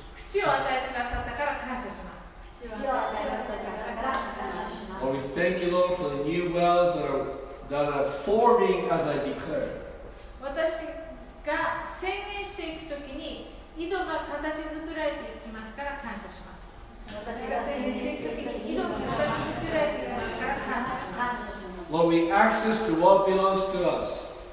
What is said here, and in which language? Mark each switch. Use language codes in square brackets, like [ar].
[ja] 口を与えてくださったから感謝します。口を与えてくださったから感謝します。 [en] Oh, we thank you, Lord, for the new wells that are forming as I declare. [ja] 私が宣言していくときに井戸が形作られていきますから感謝します。私が宣言していくときに井戸が形作られていきますから感謝します。 [en] Lord, we access to what belongs to us.